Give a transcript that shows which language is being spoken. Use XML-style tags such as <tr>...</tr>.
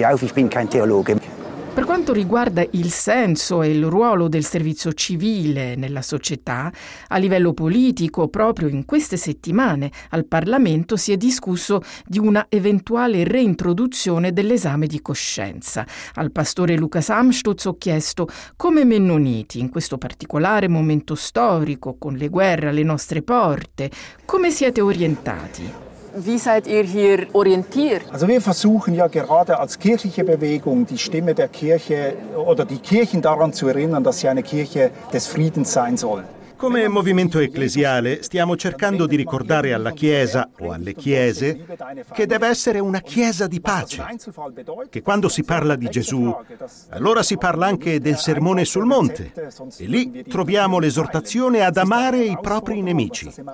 <it>Per quanto riguarda il senso e il ruolo del servizio civile nella società, a livello politico, proprio in queste settimane al Parlamento si è discusso di una eventuale reintroduzione dell'esame di coscienza. Al pastore Lucas Amstutz ho chiesto come Mennoniti, in questo particolare momento storico, con le guerre alle nostre porte, come siete orientati?</it> <de>Wie seid ihr hier orientiert? Also wir versuchen ja gerade als kirchliche Bewegung die Stimme der Kirche oder die Kirchen daran zu erinnern, dass sie eine Kirche des Friedens sein soll.</de> <it>Come movimento ecclesiale stiamo cercando di ricordare alla Chiesa o alle Chiese che deve essere una Chiesa di pace, che quando si parla di Gesù, allora si parla anche del Sermone sul Monte e lì troviamo l'esortazione ad amare i propri nemici.</it>